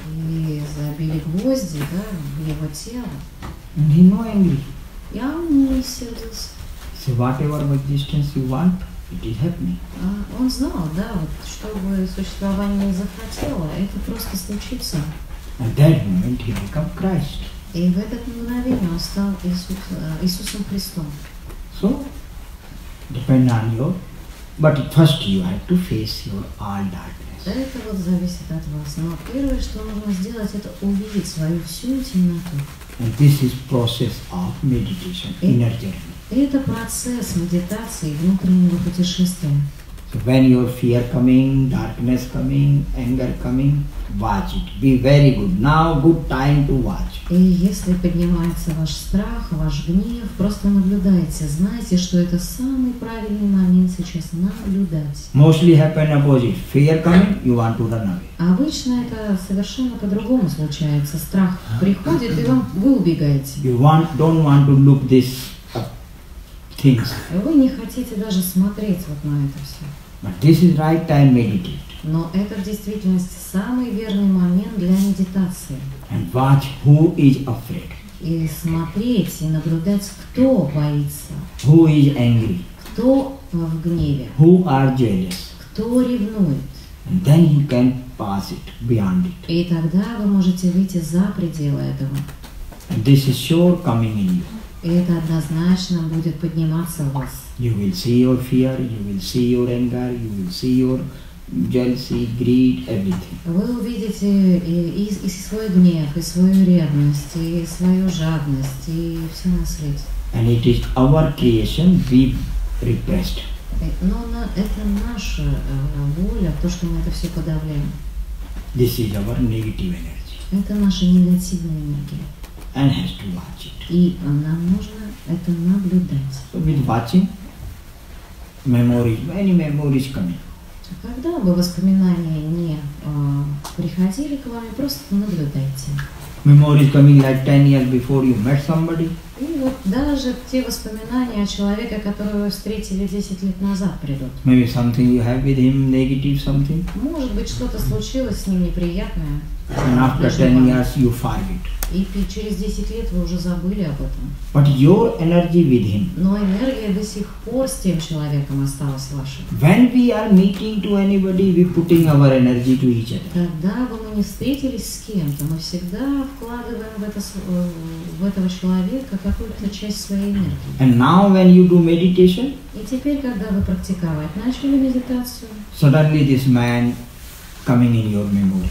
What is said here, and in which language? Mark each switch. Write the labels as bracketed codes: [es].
[ru] И забили гвозди, да, в его тело. [en] And he no angry. [ru] Я не сердился. [en] So whatever existence you want, it is happening. [ru] Он знал, да, вот, что бы существование не захотело, это просто случится. [en] At that moment he became Christ. [ru] И в этот мгновение он стал Иисусом Христом. [en] So, depend on your, but first you have to face your all darkness. [ru] Это вот зависит от вас. Но первое, что нужно сделать, это увидеть свою всю темноту. [en] And this is process of meditation, inner journey. [ru] Это процесс медитации, внутреннего путешествия. [en] So when your fear coming, darkness coming, anger coming, watch it. Be very good. Now good time to watch. [ru] И если поднимается ваш страх, ваш гнев, просто наблюдайте. Знайте, что это самый правильный момент сейчас наблюдать. [en] Mostly happen opposite. Fear coming, you want to run away. [ru] Обычно это совершенно по-другому случается. Страх приходит, и вам вы убегаете. [en] You want, don't want to look this. [ru] Вы не хотите даже смотреть вот на это все. [en] But this is right time meditate. [ru] Но это в действительности самый верный момент для медитации. [en] And watch who is afraid. [ru] И смотреть, и наблюдать, кто боится. [en] Who is angry. [ru] Кто в гневе. [en] Who are jealous. [ru] Кто ревнует. [en] And then you can pass it, beyond it. [ru] И тогда вы можете выйти за пределы этого. [en] And this is sure coming in you. [ru] И это однозначно будет подниматься в вас. [en] You will see your fear, you will see your anger, you will see your jealousy, greed, everything. [ru] Вы увидите и свой гнев, и свою ревность, и свою жадность, и все на свете. [en] And it is our creation we repressed. [ru] Но это наша воля, то, что мы это все подавляем. [en] This is our negative energy. [ru] Это наша негативная энергия. [en] And has to watch it. [ru] И нам нужно это наблюдать. [en] So with watching, memories, many memories coming. [ru] Когда бы воспоминания не приходили к вам, просто наблюдайте. [en] Memories coming like 10 years before you met somebody. [ru] И вот даже те воспоминания о человеке, которого вы встретили 10 лет назад, придут. [en] Maybe something you have with him, negative something. [ru] Может быть, что-то случилось с ним неприятное. [en] And after 10 years you forget. [ru] И через 10 лет вы уже забыли об этом. [en] But your energy with him. [ru] Но энергия до сих пор с тем человеком осталась ваша. [en] When we are meeting to anybody, we putting our energy to each other. [ru] Когда бы мы ни встретились с кем-то, мы всегда вкладываем в этого человека какую-то часть своей энергии. [en] And now when you do meditation. [ru] И теперь, когда вы практиковать начали медитацию. [en] Suddenly this man. Coming in your memory.